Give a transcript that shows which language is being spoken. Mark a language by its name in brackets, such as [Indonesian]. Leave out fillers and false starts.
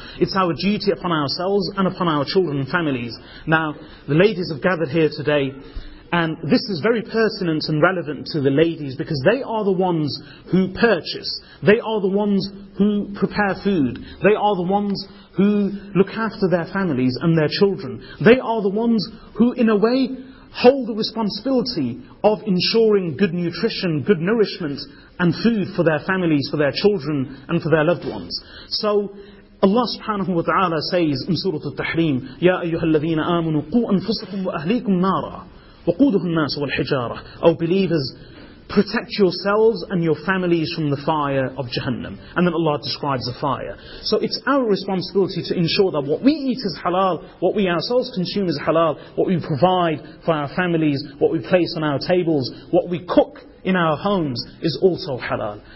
[English] It's our duty upon ourselves and upon our children and families. Now, the ladies have gathered here today, and this is very pertinent and relevant to the ladies, because they are the ones who purchase, they are the ones who prepare food, they are the ones who look after their families and their children. They are the ones who, in a way, hold the responsibility of ensuring good nutrition, good nourishment and food for their families, for their children and for their loved ones. So Allah subhanahu wa ta'ala says in Surah Al-Tahrim, [Arabic] يَا أَيُّهَا الَّذِينَ آمُنُوا قُوْ أَنفُسَكُمْ وَأَهْلِيكُمْ نَارًا وَقُودُهُ النَّاسُ وَالْحِجَارَةُ. [English] O believers, protect yourselves and your families from the fire of Jahannam. And then Allah describes the fire. So it's our responsibility to ensure that what we eat is halal, what we ourselves consume is halal, what we provide for our families, what we place on our tables, what we cook in our homes is also halal.